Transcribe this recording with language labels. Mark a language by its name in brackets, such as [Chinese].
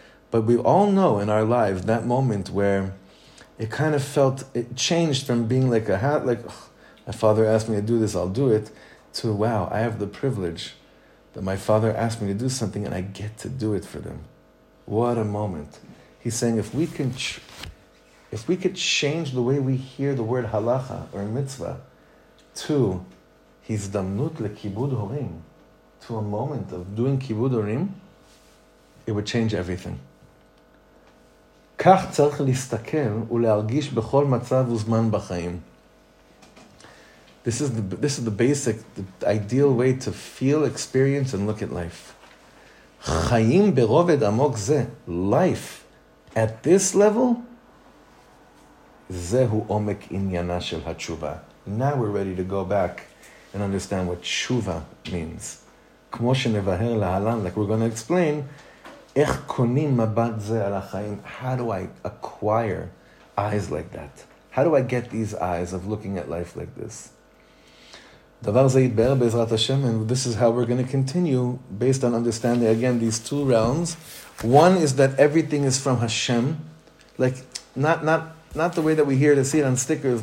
[English] But we all know in our lives that moment where it kind of felt, it changed from being like a hat, like, "Oh, my father asked me to do this, I'll do it," to, "Wow, I have the privilege that my father asked me to do something and I get to do it for them." What a moment. He's saying, if we could change the way we hear the word halacha or mitzvah to [Hebrew] hizdamnut lekibud horim, [English] to a moment of doing kibud horim, it would change everything. [Hebrew] כך צריך להסתכל ולהרגיש בכל מצב וזמן בחיים. [English] This is the basic, the ideal way to feel, experience, and look at life. [Hebrew] חיים ברובד עמוק זה, [English] life, at this level, [Hebrew] זהו עומק עניינה של התשובה. [English] Now we're ready to go back and understand what תשובה means. [Hebrew] כמו שנבהר להלן, [English] like we're going to explain, [Hebrew] איך קונים מבט זה על החיים? [English] How do I acquire eyes like that? How do I get these eyes of looking at life like this? [Hebrew] דבר זה יתבר בעזרת השם, [English] and this is how we're going to continue based on understanding, again, these two realms. One is that everything is from Hashem. Like, not the way that we hear to see it on stickers.